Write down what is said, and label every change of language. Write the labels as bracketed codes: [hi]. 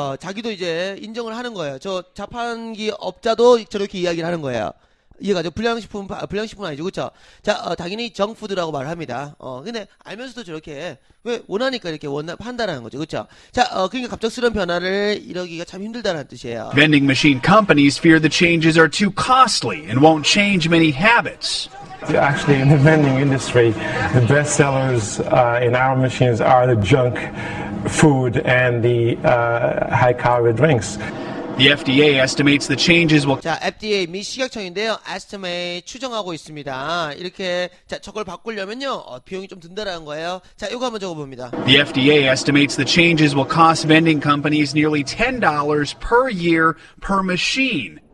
[ko] 자기도 이제 인정을 하는 거예요. 저 자판기 업자도 저렇게 이야기를 하는 거예요. 이해가죠? 불량식품, 불량식품 아니죠. 그쵸? 자, 당연히 정푸드라고 말합니다. 근데 알면서도 저렇게, 왜, 원하니까 이렇게 판다라는 거죠. 그쵸? 자, 그러니까 갑작스러운 변화를 이러기가 참 힘들다라는 뜻이에요. [en] Vending machine companies fear the changes are too costly and won't change many habits. Actually, in the vending industry, the best sellers in our machines are the junk food and the high calorie drinks. The FDA estimates the changes will. [ko] 자, FDA 미 식약청인데요, estimate 추정하고 있습니다. 이렇게 자 저걸 바꾸려면요 비용이 좀 든다라는 거예요. 자, 이거 한번 적어봅니다. [en] The FDA estimates the changes will cost vending companies nearly $10 per year per machine.